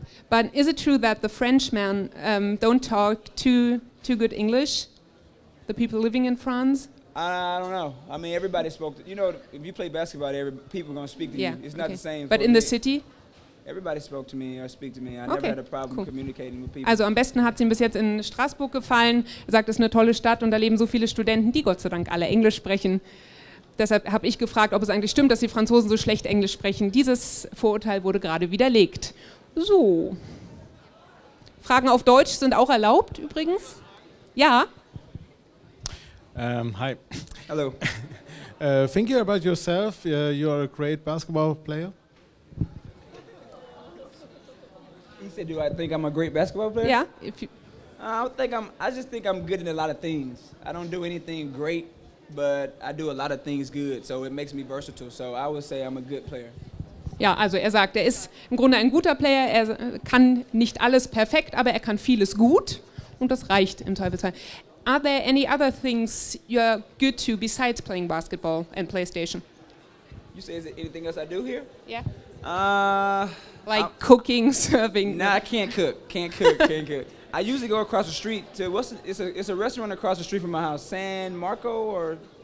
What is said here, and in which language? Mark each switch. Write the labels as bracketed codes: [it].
[en] But is it true that the Frenchmen don't talk too good English, the people living in France? I don't know. I mean, everybody spoke, if you play basketball, people are going to speak to you. It's not the same. But in the city? Everybody spoke to me or speak to me. I never had a problem communicating with people. [de] Also am besten hat es ihm bis jetzt in Straßburg gefallen. Er sagt, es ist eine tolle Stadt und da leben so viele Studenten, die Gott sei Dank alle Englisch sprechen. Deshalb habe ich gefragt, ob es eigentlich stimmt, dass die Franzosen so schlecht Englisch sprechen. Dieses Vorurteil wurde gerade widerlegt. So. Fragen auf Deutsch sind auch erlaubt übrigens. Ja? [en] Hi. Hello. thinking about yourself, you are a great basketball player. He said, do I think I'm a great basketball player? Yeah. I just think I'm good in a lot of things. I don't do anything great, but I do a lot of things good. So it makes me versatile. So I would say I'm a good player. [de] Ja, also er sagt, er ist im Grunde ein guter Player. Er kann nicht alles perfekt, aber er kann vieles gut. Und das reicht im Zweifelsfall. [en] Are there any other things you're good to besides playing basketball and PlayStation? You say, is there anything else I do here? Yeah. Like cooking, serving. Nah, I can't cook. Can't cook. I usually go across the street to it's a restaurant across the street from my house, San Marco or